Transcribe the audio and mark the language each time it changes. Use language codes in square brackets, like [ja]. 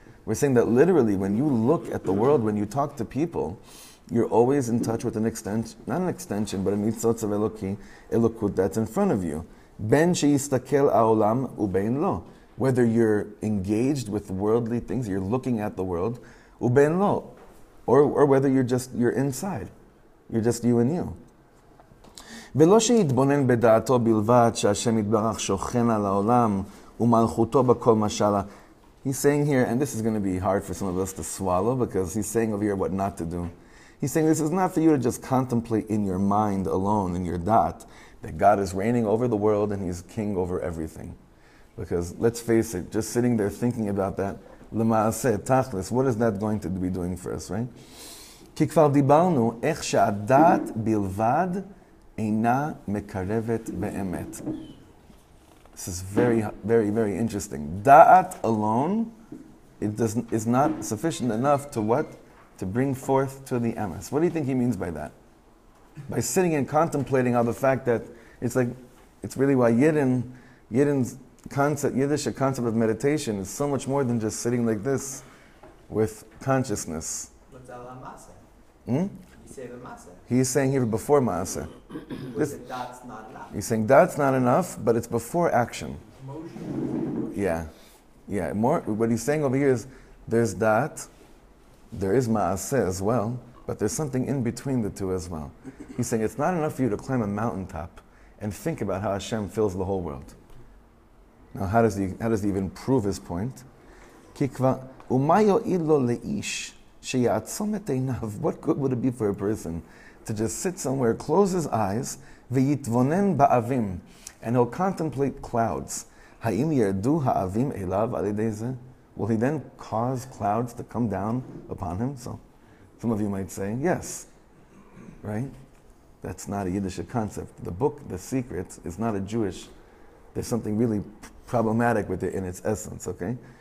[en] We're saying that literally, when you look at the world, when you talk to people, you're always in touch with an extension, not an extension, but a mitzvot of Eloki, Elokut, that's in front of you. Ben sheyistakel ha'olam ubein lo. Whether you're engaged with worldly things, you're looking at the world, ubein lo. Or whether you're just, you're inside. You're just you and you. [he] ולא שיתבונן בדעתו בלבד שהשם יתברך שוכן על העולם ומלכותו בכל משלה. [en] He's saying here, and this is going to be hard for some of us to swallow, because he's saying over here what not to do. He's saying this is not for you to just contemplate in your mind alone, in your da'at, that God is reigning over the world and he's king over everything. Because let's face it, just sitting there thinking about that, למעשה, תכלס, what is that going to be doing for us, right? [he] כי כבר דיברנו איך שהדעת בלבד אינה מקרבת באמת. [en] This is very, very, very interesting. Da'at alone, it is not sufficient enough to what? To bring forth to the emes. What do you think he means by that? By sitting and contemplating on the fact that it's like, it's really why Yiddin's concept, Yiddish concept of meditation is so much more than just sitting like this with consciousness. What's Allah Masa? He's saying here before Ma'aseh. That's not enough. He's saying that's not enough, but it's before action. Emotion. Yeah. Yeah. More. What he's saying over here is there's that, there is Ma'aseh as well, but there's something in between the two as well. He's saying it's not enough for you to climb a mountaintop and think about how Hashem fills the whole world. Now, how does he even prove his point? Kikva umayo ilo le'ish. What good would it be for a person to just sit somewhere, close his eyes, ויתבונן באבים, and he'll contemplate clouds. [he] האם ירדו האבים אליו על ידי זה? [en] Will he then cause clouds to come down upon him? So, some of you might say, yes. Right? That's not a Yiddish concept. The book, The Secret, is not a Jewish. There's something really problematic with it in its essence, okay?